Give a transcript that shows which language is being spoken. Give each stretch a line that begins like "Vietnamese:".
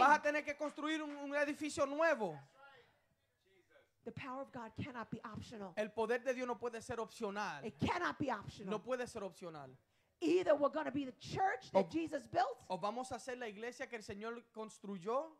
Spanish: Vas a tener que construir un edificio nuevo.
English: The power of God cannot be optional.
Spanish: El poder de Dios no puede ser opcional.
English: It cannot be optional.
Spanish: No puede ser opcional.
English: Either we're going to be the church that Jesus built.
Spanish: O vamos a hacer la iglesia que el Señor construyó.